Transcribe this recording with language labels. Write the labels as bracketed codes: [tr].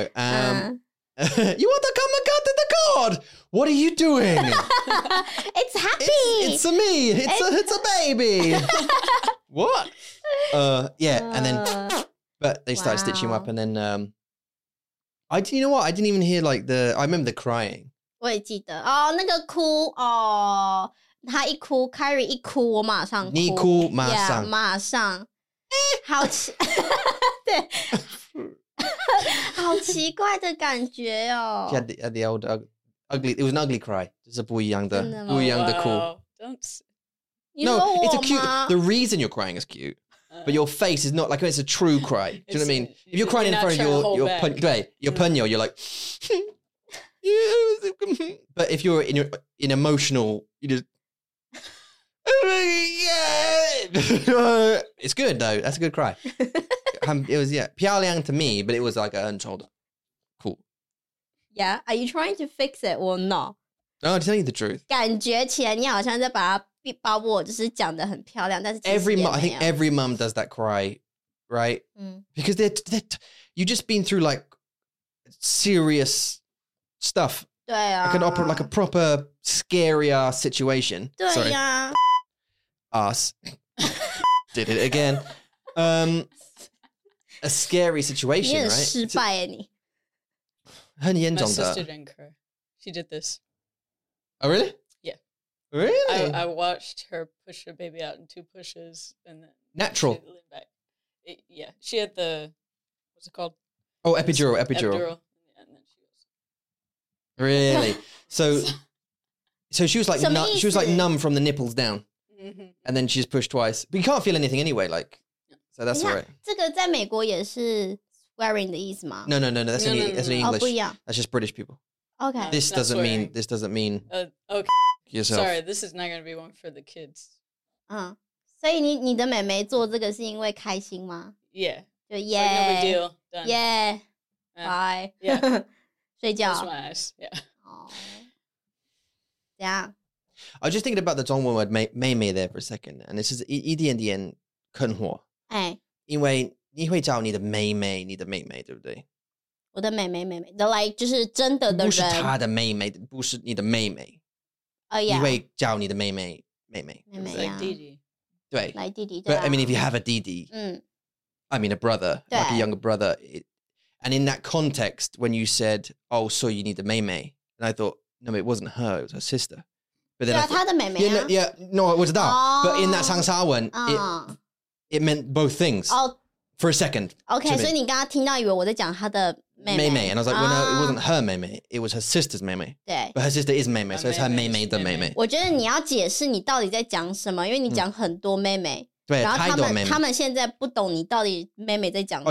[en] You want to come and cut the cord? What are you doing? It's happy. It's a me. It's a baby. What? Yeah, and then, but they started stitching him up, and then You know what? I didn't even hear like the... I remember the crying. [zh] 我也记得。哦，那个哭哦，他一哭，Kyrie一哭，我马上哭。你哭，马上。好奇，对，好奇怪的感觉哦。 [en] Yeah, the old ugly. It was an ugly cry. Just a [zh] 不一样的，不一样的哭。 [en] Wow. Don't. No, it's a cute. The reason you're crying is cute. But your face is not like it's a true cry. Do you know what I mean? If you're crying you're in front of your pun, right, your punyo, you're like, yeah. But if you're in emotional, you just, yeah. It's good though. That's a good cry. It was yeah, Pia Liang to me, but it was like an untold, cool. Yeah, are you trying to fix it or not? No, I'm telling you the truth. [zh] 感觉起来你好像在把我就是讲得很漂亮，但是 [en] I think every mom does that cry, right? Mm. Because you've just been through like serious stuff. [zh] 对啊, [en] like an opera, like a proper scary ass situation. [zh] 对呀, [en] ass did it again. A scary situation, right? [zh] 你很失败耶, [en] my sister didn't cry. She did this. Oh, really? Really? I watched her push her baby out in two pushes and then natural. She leaned back. She had the what's it called? Oh, epidural. Epidural. Yeah, and then she was really. So she was like she was like numb from the nipples down, mm-hmm. and then she just pushed twice. But you can't feel anything anyway. Like no. So that's all right. [zh] 这个在美国也是 swearing 的意思吗? [en] No. That's only that's in English. [zh] Oh, 不一样. [en] That's just British people. Okay. This that's doesn't swearing. Mean this doesn't mean. Okay. Yourself. Sorry, this is not going to be one for the kids. [zh] 所以你的妹妹做这个是因为开心吗? [en] Yeah. [zh] 就 yeah. [en] Like, no big deal. Done. Yeah. Bye. Yeah. [zh] 睡觉. [en] Close my eyes. Yeah. Oh. Yeah. I was just thinking about the 中文 word 妹妹 there for a second. And this is [zh] 一点点困惑. 因为你会找你的妹妹，你的妹妹，对不对? 我的妹妹妹妹. [en] The like, [zh] 就是真的的人. 不是她的妹妹，不是你的妹妹. [en] Yeah. [zh] 你会叫你的妹妹妹妹妹妹啊 like 弟弟对 [en] like 弟弟 but I mean if you have a 弟弟 I mean a brother [zh] 对. [en] Like a younger brother it, and in that context when you said oh so you need a 妹妹 and I thought no it wasn't her it was her sister but then [zh] 对啊她的妹妹啊 [en] yeah, yeah no it was that oh, but in that 上沙文 it meant both things oh, for a second [zh] okay 所以你刚刚听到以为我在讲她的妹妹 [en] and I was like, well, no, it wasn't her 妹妹, it was her sister's 妹妹. 对, but her sister is 妹妹, so it's her [zh] 妹妹的妹妹. 我觉得你要解释你到底在讲什么, 因为你讲很多妹妹, 对, 然后他们, 他们现在不懂你到底妹妹在讲什么。